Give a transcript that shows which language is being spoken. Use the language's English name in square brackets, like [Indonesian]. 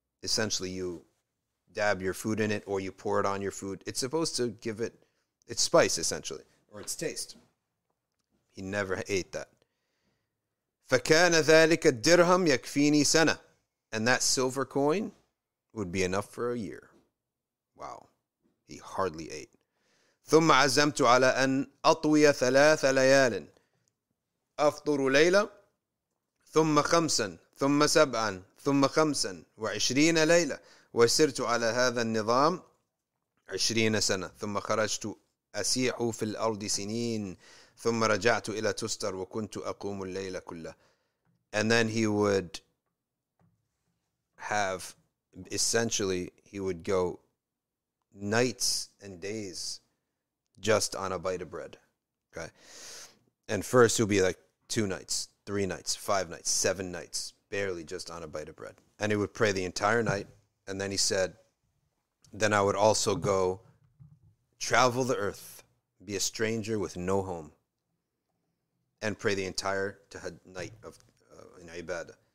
[English] Essentially, you dab your food in it or you pour it on your food. It's supposed to give it, it's spice, essentially, or its taste. He never ate that. [Arabic] فَكَانَ ذَلِكَ الدِّرْهَمْ يَكْفِينِي سَنَة [English] And that silver coin would be enough for a year. Wow. He hardly ate. [Arabic] ثم عزمت على أن أطوي ثلاث ليال أفطر ليلة ثم خمسا ثم سبعا ثم خمسا وعشرين ليلة وسرت على هذا النظام عشرين سنة ثم خرجت أسيح في الأرض سنين ثم رجعت إلى تستر وكنت أقوم الليلة كله [English] And then he would have, essentially, he would go nights and days just on a bite of bread, okay? And first, it'll be like two nights, three nights, five nights, seven nights, barely just on a bite of bread. And he would pray the entire night. And then he said, then I would also go travel the earth, be a stranger with no home, and pray the entire night of in ibadah.